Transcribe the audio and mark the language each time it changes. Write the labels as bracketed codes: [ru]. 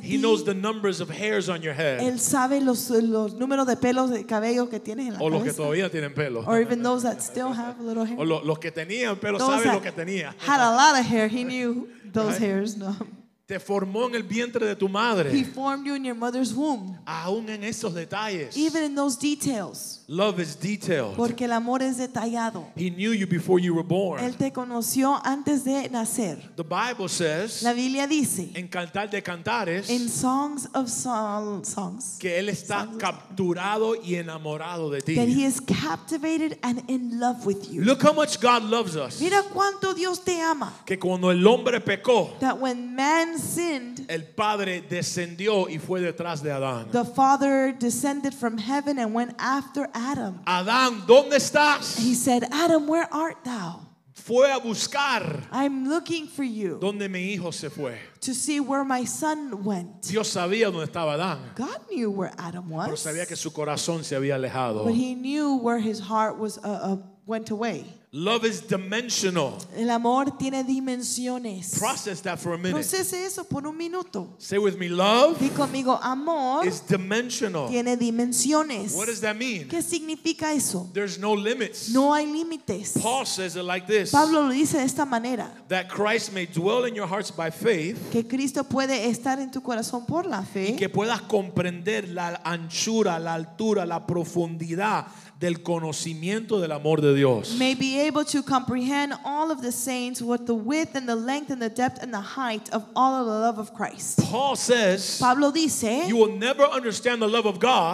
[en] ti. He knows the numbers of hairs on your head. [es] Él sabe los números de pelos de cabello que tienes en la cabeza. O los que todavía tienen pelo. [en] Or even those that still have little hair. [es] O los que tenían, pero those sabe lo que tenía. [en] Had a lot of hair. He knew those hairs. No. [es] Te formó en el vientre de tu madre. [en] He formed you in your mother's womb. [es] Aún en esos detalles. [en] Even in those details. Love is detailed. [es] Porque el amor es detallado. [en] He knew you before you were born. [es] Él te conoció antes de nacer. [en] The Bible says. [es] La Biblia dice. En Cantar de Cantares. [en] In Songs of Songs. [es] Que él está capturado y enamorado de ti. [en] That he is captivated and in love with you. Look how much God loves us. [es] Mira cuánto Dios te ama. Que cuando el hombre pecó. [en] That when man sinned, [es] el padre descendió y fue detrás de Adán. [en] The father descended from heaven and went after Adam. [es] Adán, ¿dónde estás? [en] He said, Adam, where art thou? [es] Fue a buscar. [en] I'm looking for you. [es] ¿Dónde mi hijo se fue? [en] To see where my son went. [es] Dios sabía dónde estaba Adán. [en] God knew where Adam was. [es] Pero sabía que su corazón se había alejado. [en] But he knew where his heart was went away. Love is dimensional. [es] El amor tiene dimensiones. [en] Process that for a minute. [es] Procese eso por un minuto. [en] Say with me, love. [es] Di conmigo, amor. [en] Is dimensional. [es] Tiene dimensiones. [en] What does that mean? [es] ¿Qué significa eso? [en] There's no limits. [es] No hay límites. [en] Paul says it like this. [es] Pablo lo dice de esta manera. [en] That Christ may dwell in your hearts by faith. [es] Que Cristo puede estar en tu corazón por la fe. Y que puedas comprender la anchura, la altura, la profundidad del conocimiento del amor de Dios. [en] May be able to comprehend all of the saints what the width and the length and the depth and the height of all of the love of Christ. Paul says, [es] Pablo dice, [en] you will never understand the love of God.